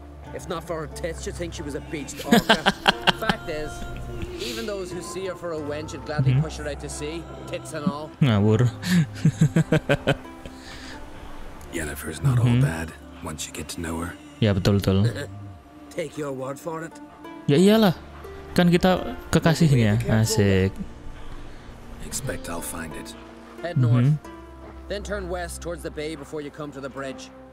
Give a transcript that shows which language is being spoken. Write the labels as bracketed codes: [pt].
[en] If not for her tits, you'd think she was a beached ogre. Fact is, even those who see her for a wench would gladly push her out to sea, tits and all. [id] Ngawur. [en] Yennefer's not all bad once you get to know her. [id] Ya betul-betul. [en] Take your word for it. [id] Ya iyalah, kan kita kekasihnya. Asik. [en] Expect I'll find it. Head north. Then turn west towards the bay before you come to the bridge.